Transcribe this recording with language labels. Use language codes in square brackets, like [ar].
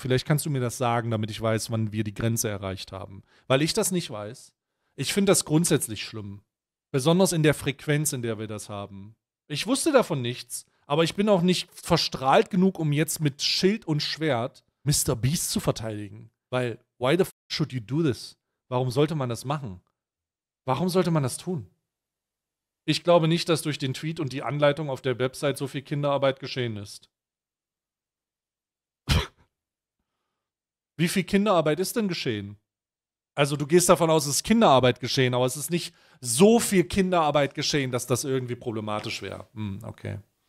[de] Vielleicht kannst du mir das sagen, damit ich weiß, wann wir die Grenze erreicht haben. Weil ich das nicht weiß. Ich finde das grundsätzlich schlimm. Besonders in der Frequenz, in der wir das haben. Ich wusste davon nichts. Aber ich bin auch nicht verstrahlt genug, um jetzt mit Schild und Schwert Mr. Beast zu verteidigen. [en] Weil, why the f*** should you do this? [de] Warum sollte man das machen? Warum sollte man das tun? Ich glaube nicht, dass durch den Tweet und die Anleitung auf der Website so viel Kinderarbeit geschehen ist. Wie viel Kinderarbeit ist denn geschehen? Also du gehst davon aus, es ist Kinderarbeit geschehen, aber es ist nicht so viel Kinderarbeit geschehen, dass das irgendwie problematisch wäre. Hm, okay.